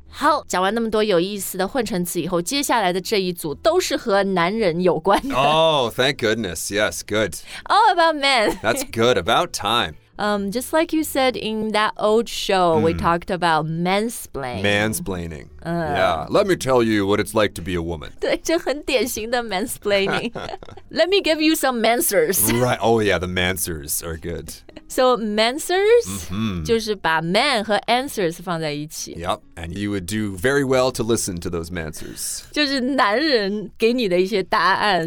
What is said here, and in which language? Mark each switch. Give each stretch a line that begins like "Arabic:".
Chinese: 好，讲完那么多有意思的混成词以后，接下来的这一组都是和男人有关的。
English: Oh, thank goodness, yes, good. All about men. That's good, about time. Just like you said in that old show, we talked about mansplaining. Mansplaining. Yeah. Let me tell you what it's like to be a woman.
Chinese: 对，这很典型的
English: mansplaining. Let me give you some mansers. Right. Oh, yeah. The mansers are good. So mansers, mm-hmm.
Chinese: 就是把 man 和 answers 放在一起。
English: Yep. And you would do very well to listen to those mansers.
Chinese: 就是男人给你的一些答案。